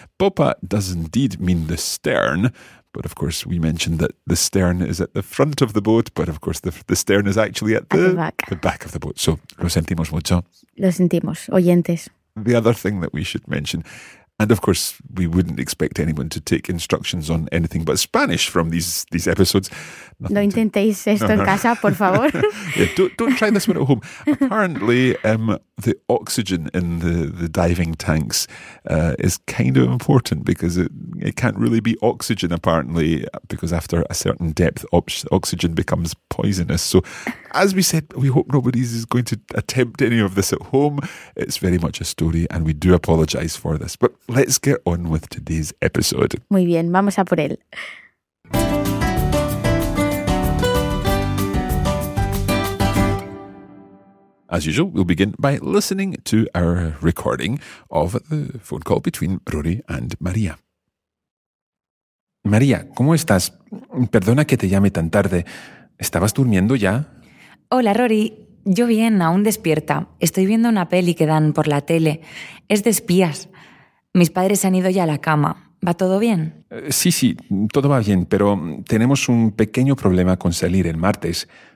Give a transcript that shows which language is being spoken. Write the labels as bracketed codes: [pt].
[en] Popa does indeed mean the stern. But of course, we mentioned that the stern is at the front of the boat. But of course, the stern is actually at the back of the boat. So [es] lo sentimos mucho. Lo sentimos, oyentes. [en] The other thing that we should mention, and of course, we wouldn't expect anyone to take instructions on anything but Spanish from these episodes. [es] No intentéis esto en casa, por favor. [en] Yeah, don't try this one at home. Apparently, the oxygen in the diving tanks is kind of important because it can't really be oxygen, apparently, because after a certain depth, oxygen becomes poisonous. So, as we said, we hope nobody is going to attempt any of this at home. It's very much a story, and we do apologize for this. But let's get on with today's episode. [es] Muy bien, vamos a por él. [en] As usual, we'll begin by listening to our recording of the phone call between Rory and Maria. [es] Maria, ¿cómo estás? Perdona que te llame tan tarde. ¿Estabas durmiendo ya? Hola, Rory. Yo bien, aún despierta. Estoy viendo una peli que dan por la tele. Es de espías. Mis padres han ido ya a la cama. ¿Va todo bien? Sí, sí, todo va bien, pero tenemos un pequeño problema con salir el martes.